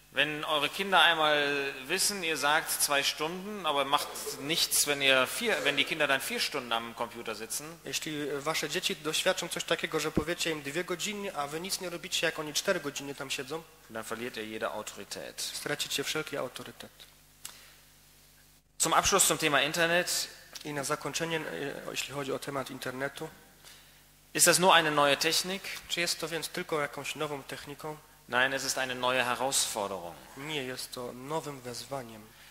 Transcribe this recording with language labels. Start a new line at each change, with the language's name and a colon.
German: Wenn eure Kinder einmal wissen, ihr sagt zwei Stunden, aber macht nichts, wenn die Kinder dann vier Stunden am Computer sitzen.
Polish: Jeśli wasze dzieci doświadczą coś takiego, że powiecie im dwie godziny, a wy nic nie robicie, jak oni cztery godziny tam siedzą,
German: dann verliert ihr jede Autorität.
Polish: Stracicie wszelki autorytet.
German: Zum Abschluss zum Thema Internet.
Polish: I na zakończenie, jeśli chodzi o temat internetu.
German: Ist das nur eine neue Technik?
Polish: Czy jest to więc tylko jakąś nową techniką?
German: Nein, es ist eine neue Herausforderung.
Polish: Nie, jest to nowym wezwaniem.